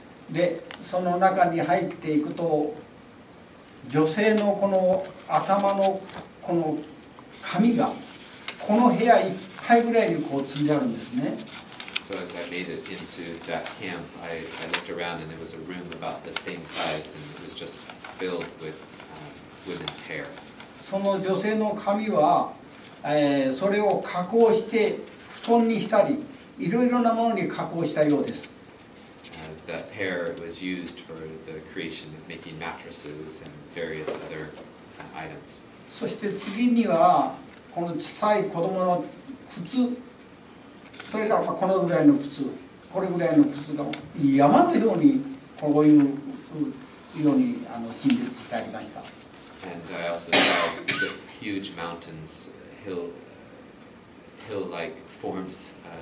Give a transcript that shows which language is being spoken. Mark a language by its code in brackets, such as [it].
[ja] で、その中に入っていくと。女性のこの頭のこの髪がこの部屋いっぱいぐらいにこう積んであるんですね。 [en] So as I made it into that camp, I looked around and there was a room about the same size and it was just filled with women's hair. [ja] その女性の髪は、それを加工して布団にしたり、いろいろなものに加工したようです。 [en] That hair was used for the creation of making mattresses and various other items. [ja] そして次にはこの小さい子供の靴、それからこのぐらいの靴、これぐらいの靴が山のようにこういうように陳列してありました。 [en] And I also saw just huge mountains, hill-like forms.